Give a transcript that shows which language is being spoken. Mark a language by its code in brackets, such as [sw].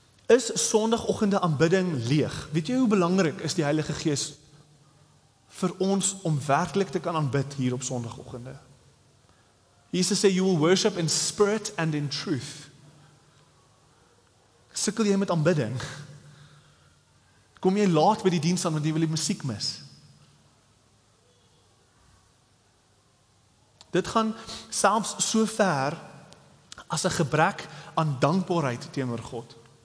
[af] Is sonoggende aanbidding leeg? Weet jy hoe belangrik is die Heilige Gees vir ons om werklik te kan aanbid hier op sonoggende? Jesus sê, [en] you will worship in spirit and in truth. [af] Sikkel jy met aanbidding? Kom jy laat by die diens aan, want jy wil die muziek mis? Dit gaan selfs so ver as 'n gebrek aan dankbaarheid teenoor God.